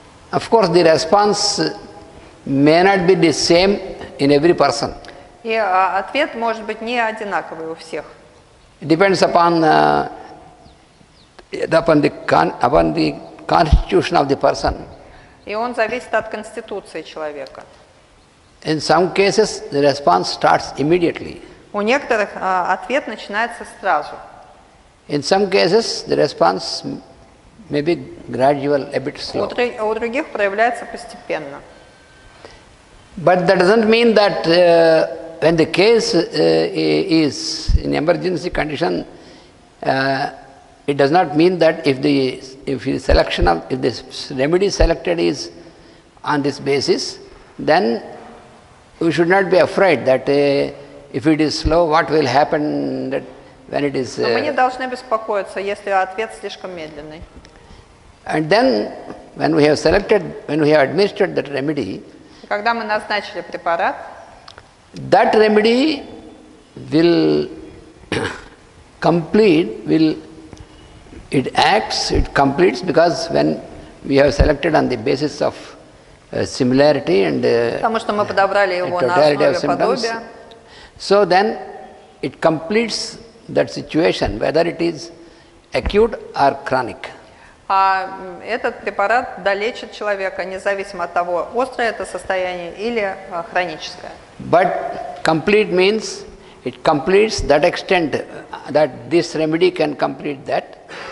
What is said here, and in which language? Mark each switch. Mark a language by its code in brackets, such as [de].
[en] Of course, the response may not be the same in every person. [ru] И ответ может быть не одинаковый у всех. [en] Depends upon upon the constitution of the person. [ru] И он зависит от конституции человека. [en] In some cases the response starts immediately. [ru] У некоторых ответ начинается сразу. [en] In some cases the response may be gradual, a bit slow. [ru] У других проявляется постепенно. [en] But that doesn't mean that when the case is in emergency condition, it does not mean that if this remedy selected is on this basis, then we should not be afraid that if it is slow, what will happen that when it is. [ru] Мы не должны беспокоиться, если ответ слишком медленный. [en] And then, when we have administered that remedy. [ru] Когда мы назначили препарат. [en] That remedy will complete, it acts, it completes, because when we have selected on the basis of similarity and totality of symptoms, so then it completes that situation, whether it is acute or chronic. [ru] А этот препарат долечит человека, независимо от того, острое это состояние или хроническое. [en] But complete means it completes that extent that this remedy can complete that.